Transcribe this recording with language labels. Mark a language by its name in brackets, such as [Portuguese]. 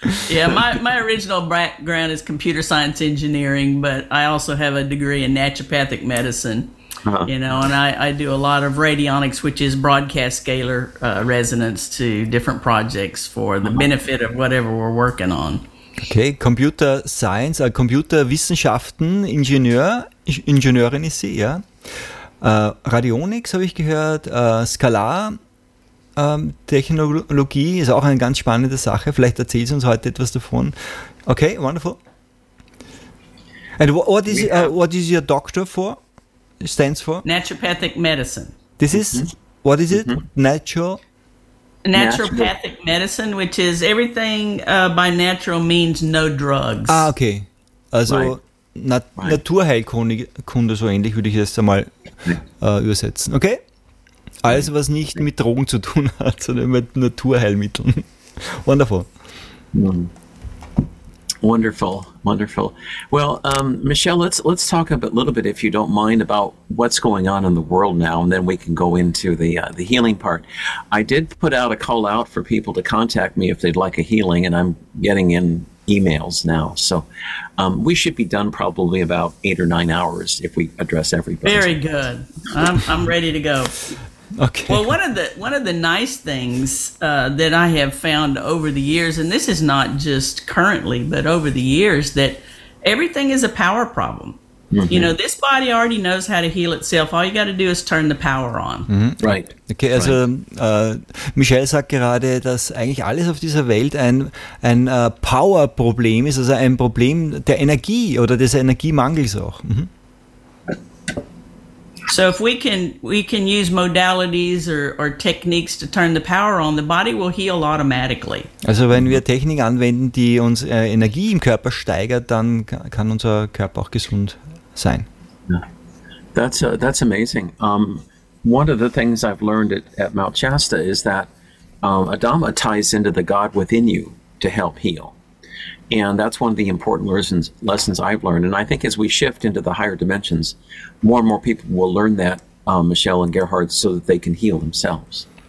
[English] Yeah, my original background is computer science engineering, but I also have a degree in naturopathic medicine, You know, and I do a lot of radionics, which is broadcast scalar resonance to different projects for the benefit of whatever we're working on. [German] Okay, computer science, Computerwissenschaften, Ingenieurin ist sie, ja. Radionics habe ich gehört, Skalar. Technologie ist auch eine ganz spannende Sache. Vielleicht erzählst du uns heute etwas davon. [English] Okay, wonderful. And what is your doctor for? It stands for? Naturopathic medicine. This is, mm-hmm. what is it? Mm-hmm. Naturopathic medicine, which is everything by natural means, no drugs. Ah, okay. Also right. [German] Naturheilkunde, so ähnlich würde ich das einmal übersetzen. Okay. Alles, was nicht mit Drogen zu tun hat, sondern mit Naturheilmitteln. [English] Wonderful. Wonderful, wonderful. Well, Michelle, let's talk a little bit, if you don't mind, about what's going on in the world now, and then we can go into the healing part. I did put out a call out for people to contact me if they'd like a healing, and I'm getting in emails now. So we should be done probably about 8 or 9 hours if we address everybody. Very good. I'm ready to go. Okay. Well, one of the nice things that I have found over the years, and this is not just currently, but over the years, that everything is a power problem. Mm-hmm. You know, this body already knows how to heal itself. All you got to do is turn the power on. Mm-hmm. Right. [German] Okay, also Michelle sagt gerade, dass eigentlich alles auf dieser Welt ein Power-Problem ist, also ein Problem der Energie oder des Energiemangels auch. Mhm. [English] So if we can use modalities or techniques to turn the power on, the body will heal automatically. [German] Also wenn wir Technik anwenden, die uns Energie im Körper steigert, dann kann unser Körper auch gesund sein. [English] That's amazing. One of the things I've learned at Mount Shasta is that Adama ties into the God within you to help heal. And that's one of the important lessons I've learned. And I think as we shift into the higher dimensions, more and more people will learn that, Michelle and Gerhard, so that they can heal themselves.